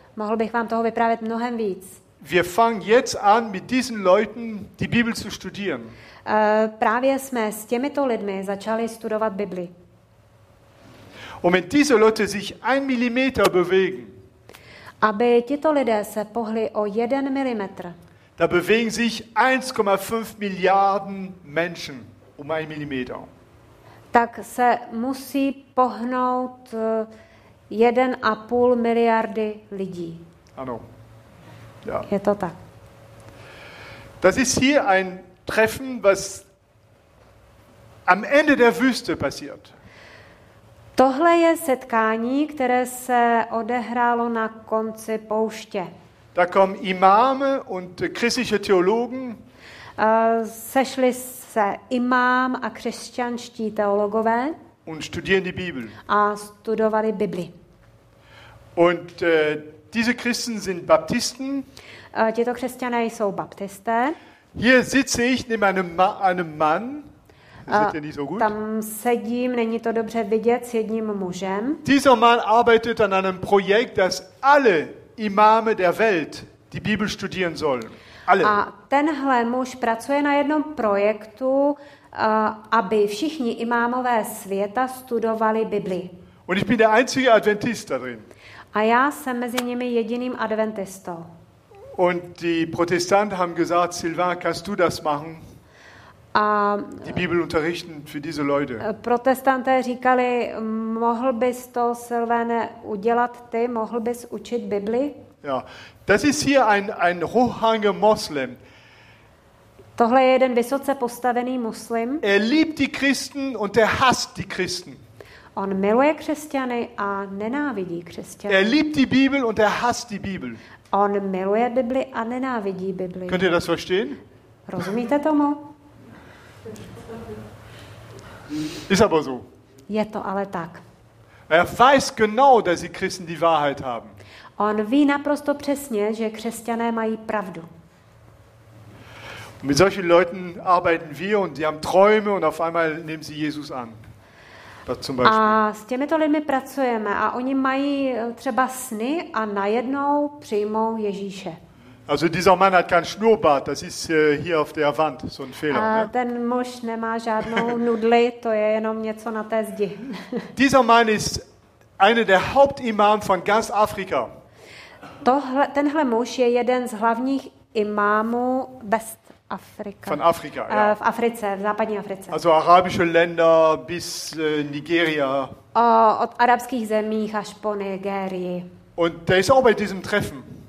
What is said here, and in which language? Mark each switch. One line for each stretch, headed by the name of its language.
Czech: mohl bych vám toho vyprávět mnohem víc.
German: Wir fangen jetzt an mit diesen Leuten die Bibel zu studieren.
Czech: Právě jsme s těmito lidmi začali studovat Bibli.
German: Und wenn diese Leute sich ein Millimeter bewegen.
Czech: Aby tito lidé se pohli o jeden milimetr.
German: Da bewegen sich 1,5 Milliarden Menschen um ein Millimeter.
Czech: Tak se musí pohnout 1,5 miliardy lidí. Ano. Ja. Je to tak.
German: Das ist hier ein Treffen, was am Ende der Wüste passiert.
Czech: Tohle je setkání, které se odehrálo na konci pouště.
German: Da kommen Imame und christliche Theologen.
Czech: Sešli se imám a křesťanští teologové.
German: Und studieren die Bibel.
Czech: A studovali Bibli.
German: Und diese Christen sind Baptisten.
Czech: Tito křesťané jsou baptisté.
German: Hier sitze ich neben einem Mann.
Czech: Tam sedím, není to dobře vidět, s jedním mužem.
German: Dieser Mann arbeitet an einem Projekt, das alle Imame der Welt die Bibel studieren sollen. Alle.
Czech: A tenhle muž pracuje na jednom projektu, aby všichni imámové světa studovali Bibli.
German: Und ich bin der einzige Adventist darin.
Czech: A já jsem mezi nimi jediným adventistou.
German: Und die Protestanten haben gesagt, Sylvain, kannst du das machen? Die Bibel unterrichten für diese Leute.
Czech: Protestanté říkali, mohl bys to, Sylvane, udělat ty, mohl bys učit Bibli?
German: Ja, das ist hier ein hochrangiger Muslim.
Czech: Tohle je jeden vysoce postavený muslim.
German: Er liebt die Christen und er hasst die Christen.
Czech: On miluje křesťany a nenávidí křesťany.
German: Er liebt die Bibel und er hasst die Bibel.
Czech: On miluje Bibli a nenávidí Bibli.
German: Könnt ihr das verstehen?
Czech: Rozumíte tomu?
German: Ist aber so.
Czech: Je to ale tak.
German: Er weiß genau, dass die Christen die Wahrheit haben.
Czech: On ví naprosto přesně, že křesťané mají pravdu.
German: Mit solchen Leuten arbeiten wir und die haben Träume und auf einmal nehmen sie Jesus an.
Czech: A s těmito lidmi pracujeme a oni mají třeba sny a najednou přijmou Ježíše.
German: Also dieser Mann hat keinen Schnurrbart, das ist hier auf der Wand so ein Fehler.
Czech: Ten muž nemá žádnou nudli, to je jenom něco na té zdi.
German: Dieser Mann ist einer der Hauptimam von ganz Afrika.
Czech: Tenhle muž je jeden z hlavních imámů West Africa.
German: Von Afrika, ja.
Czech: V Africe, v západní Africe.
German: Also arabische Länder bis Nigeria.
Czech: Od arabských zemí až po Nigérii.
German: Und der ist auch bei diesem Treffen.